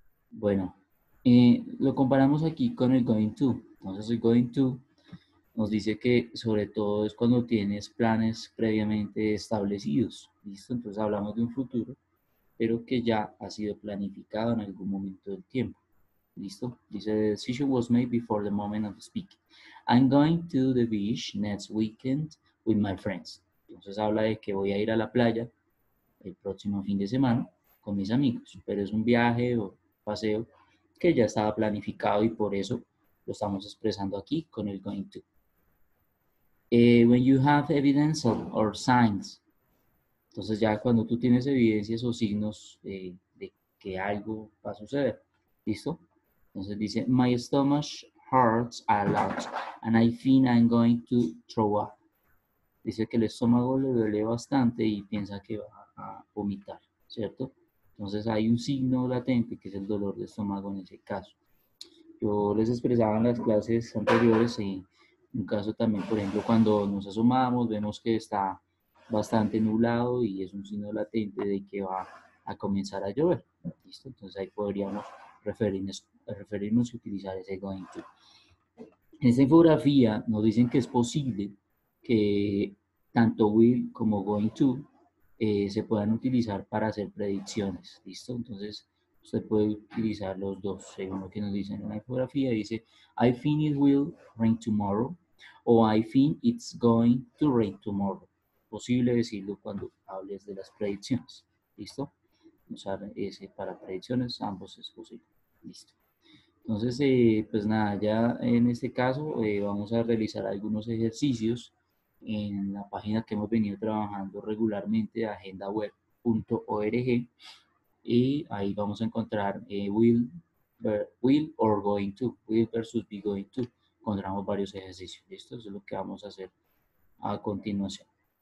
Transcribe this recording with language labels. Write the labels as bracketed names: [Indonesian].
[Spanish] Bueno, lo comparamos aquí con el going to. Entonces, el going to nos dice que sobre todo es cuando tienes planes previamente establecidos, ¿listo? Entonces hablamos de un futuro, pero que ya ha sido planificado en algún momento del tiempo, ¿listo? [English] Dice, The decision was made before the moment of speaking. I'm going to the beach next weekend with my friends. [Spanish] Entonces habla de que voy a ir a la playa el próximo fin de semana con mis amigos, pero es un viaje o paseo que ya estaba planificado y por eso lo estamos expresando aquí con el going to. [English] When you have evidence or signs, [Spanish] entonces ya cuando tú tienes evidencias o signos de que algo va a suceder, ¿listo? Entonces dice, [English] My stomach hurts a lot and I think I'm going to throw up. [Spanish] Dice que el estómago le duele bastante y piensa que va a vomitar, ¿cierto? Entonces hay un signo latente que es el dolor de estómago en ese caso. Yo les expresaba en las clases anteriores y un caso también, por ejemplo, cuando nos asomamos, vemos que está bastante nublado y es un signo latente de que va a comenzar a llover. ¿Listo? Entonces ahí podríamos referirnos y utilizar ese going to. En esa infografía nos dicen que es posible que tanto will como going to se puedan utilizar para hacer predicciones, ¿listo? Entonces, usted puede utilizar los dos, según lo que nos dicen en la infografía. [English] Dice, I think it will rain tomorrow, o I think it's going to rain tomorrow. [Spanish] Posible decirlo cuando hables de las predicciones, ¿listo? Usar ese para predicciones, ambos es posible, ¿listo? Entonces, pues nada, ya en este caso vamos a realizar algunos ejercicios en la página que hemos venido trabajando regularmente, agendaweb.org, y ahí vamos a encontrar will or going to, will versus be going to. Encontramos varios ejercicios. Esto es lo que vamos a hacer a continuación.